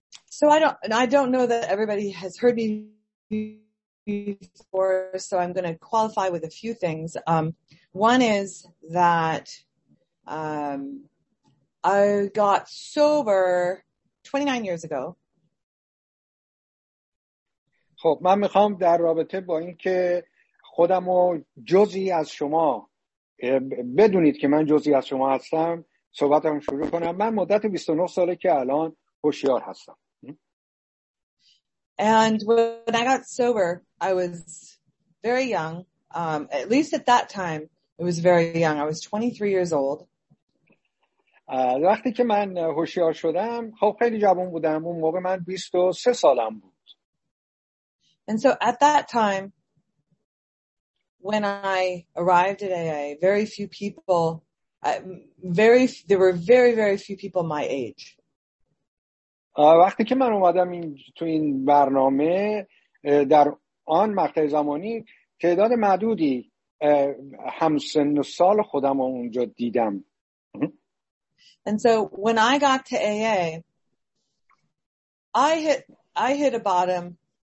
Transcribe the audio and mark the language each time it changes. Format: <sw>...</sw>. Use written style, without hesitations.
<en>So I don't know that everybody has heard me before, so I'm going to qualify with a few things. One is that I got sober 29 years ago.</en> <fa>خب من میخوام در رابطه با اینکه خودم رو جزئی از شما بدونید که من جزئی از شما هستم صحبتم شروع کنم. من مدت 29 ساله که الان هوشیار هستم.</fa> <en>And when I got sober, I was very young. At least at that time, it was very young. I was 23 years old.</en> <fa>وقتی که من هوشیار شدم، خب خیلی جوان بودم. اون موقع من 23 سالم بود.</fa> <en>And so at that time, when I arrived at AA, there were very, very few people my age.</en> <fa>وقتی که من اومدم تو این برنامه در آن مقطع زمانی تعداد معدودی همسن و سال خودم رو اونجا دیدم.</fa> <en>And so when I got to AA, I hit a bottom.</en>